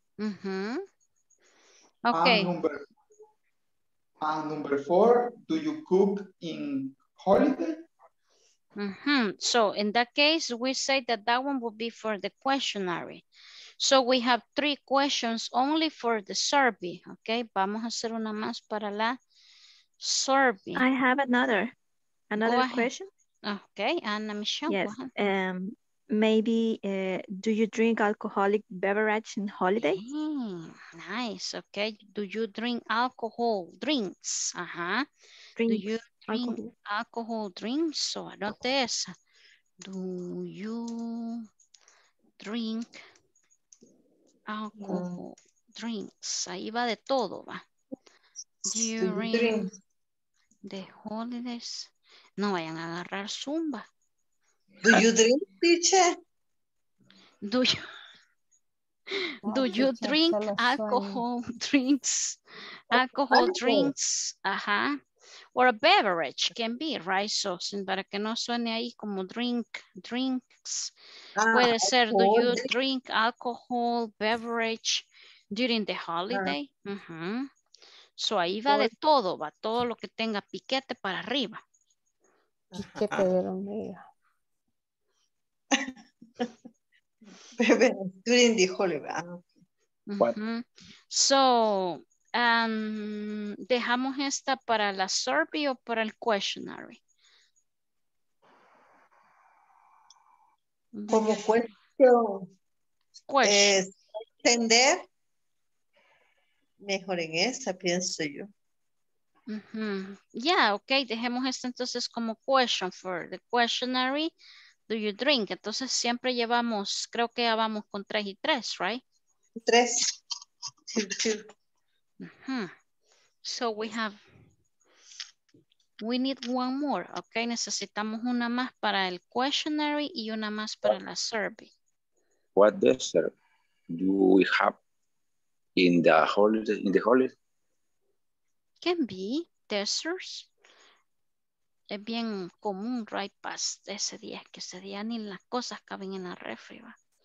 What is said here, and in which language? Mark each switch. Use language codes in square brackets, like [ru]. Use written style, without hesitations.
[en] Mm-hmm. Okay. Number four, do you cook in holiday? Mm-hmm. So in that case, we say that that one would be for the questionnaire. So we have three questions only for the survey. [es] Okay, vamos a hacer una más para la survey. [en] I have another question. Okay, Ana Michelle. Yes. Maybe do you drink alcoholic beverage in holiday? Nice. Okay. Do you drink alcohol drinks? Uh-huh. Drink do you drink alcohol drinks? So [es] anote esa. [en] Do you drink alcohol drinks? [es] Ahí va de todo, va. [en] During the holidays. [es] No vayan a agarrar Zumba. [en] Do you drink, teacher? Do you drink alcohol drinks? Alcohol drinks, uh-huh. Or a beverage can be, right? [es] So, sin para que no suene ahí como drinks. Puede ser, [en] do you drink alcohol beverage during the holiday? Uh-huh. [es] So, ahí va de todo, va todo lo que tenga piquete para arriba. ¿Qué te dieron, mía? [en] During the holiday. Mm-hmm. [es] So dejamos esta para la survey o para el questionnaire. Como question. Entender mejor en esta, pienso yo. [en] Mm-hmm. Yeah, okay. [es] Dejemos esta entonces como [en] question for the questionnaire. Do you drink? [es] Entonces siempre llevamos, creo que ya vamos con 3 y 3, right? 3. [en] Mm-hmm. So we need one more. [es] Okay, necesitamos una más para el questionnaire y una más para la survey. [en] What dessert do we have in the holiday? In the holiday? Can be desserts. [es] Es bien común, right, past ese día, que ese día ni las cosas caben en la refri, va.